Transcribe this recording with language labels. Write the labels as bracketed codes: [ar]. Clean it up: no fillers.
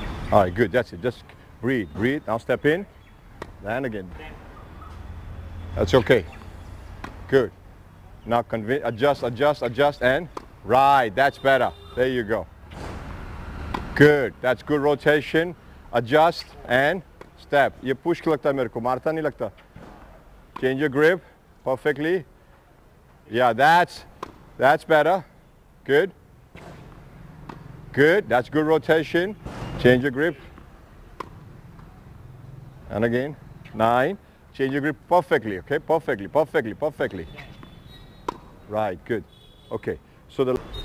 [en] All right, good, that's it. Just breathe. Now step in, land again. That's okay. Good. Now adjust, and ride. That's better. There you go. Good, that's good rotation. Adjust and step. [hi] ये push के लगता है मेरेको, मारता नहीं लगता. [en] Change your grip perfectly. Yeah, that's better. Good. Good, that's good rotation. Change your grip. And again, 9. Change your grip perfectly, okay? Perfectly. Right, good. Okay, so the...